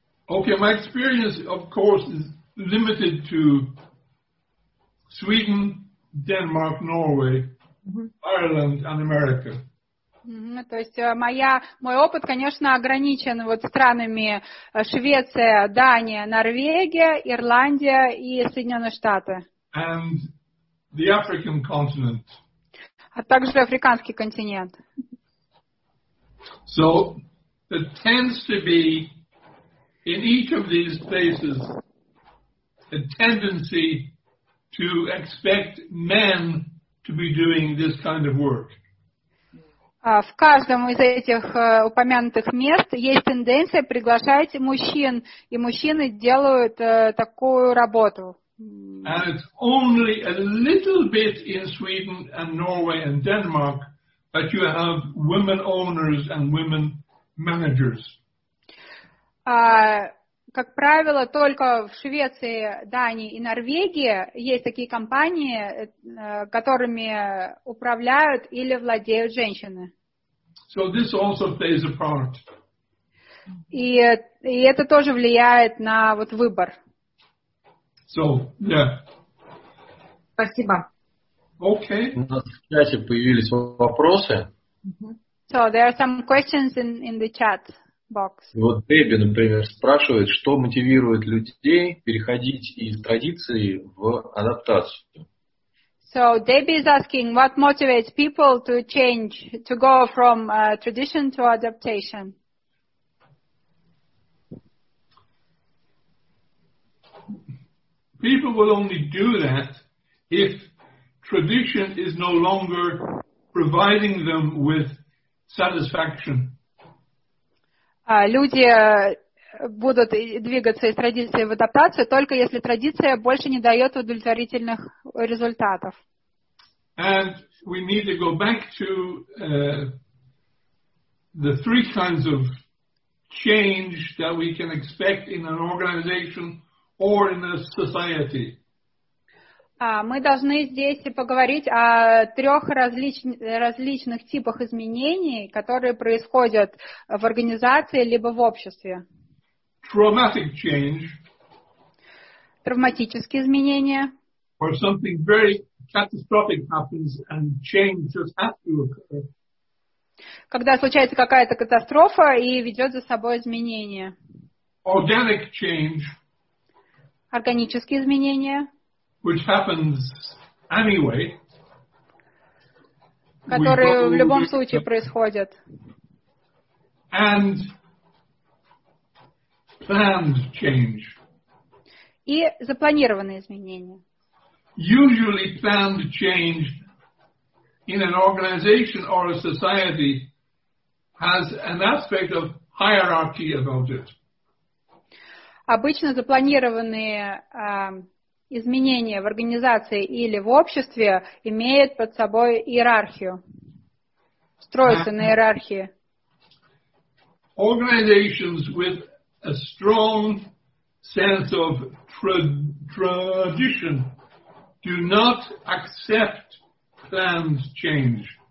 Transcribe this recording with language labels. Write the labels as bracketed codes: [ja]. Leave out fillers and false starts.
[en] Okay, my experience, of course, is limited to Sweden, Denmark, Norway, mm-hmm. Ireland, and America. Mm-hmm. [ru] То есть мой опыт, конечно, ограничен вот странами Швеция, Дания, Норвегия, Ирландия и Соединенные Штаты. [en] And the African continent. [ru] А также африканский континент. [en] So there tends to be in each of these places a tendency to expect men to be doing this kind of work. [ru] В каждом из этих упомянутых мест есть тенденция приглашать мужчин, и мужчины делают такую работу. [en] And it's only a little bit in Sweden and Norway and Denmark that you have women owners and women managers. [ru] Как правило, только в Швеции, Дании и Норвегии есть такие компании, которыми управляют или владеют женщины. [en] So this also plays a part. [ru] И это тоже влияет на вот выбор. [en] So, yeah. [ru] Спасибо. [en] Okay. [ru] У нас в чате появились вопросы. [en] So there are some questions in the chat. [ru] Вот Дебби, например, спрашивает, что мотивирует людей переходить из традиции в адаптацию. [en] So Debbie is asking, what motivates people to change, to go from tradition to adaptation? People will only do that if tradition is no longer providing them with satisfaction. [ru] Люди будут двигаться из традиции в адаптацию только если традиция больше не дает удовлетворительных результатов. [en] And we need to go back to the three kinds of change that we can expect in an organization or in a society. [ru] Мы должны здесь поговорить о трех различных типах изменений, которые происходят в организации либо в обществе. [en] Traumatic change. [ru] Травматические изменения. [en] Or something very catastrophic happens and change just has to occur. [ru] Когда случается какая-то катастрофа и ведет за собой изменения. [en] Organic change. [ru] Органические изменения. [en] Which happens anyway, [ru] которые в любом случае происходят. [en] And planned change. [ru] И запланированные изменения. [en] Usually planned change in an organization or a society has an aspect of hierarchy about it. [ru] Обычно запланированные изменения в организации или в обществе имеют под собой иерархию, строятся на иерархии. [en] Organizations with a strong sense of tradition do not accept planned change.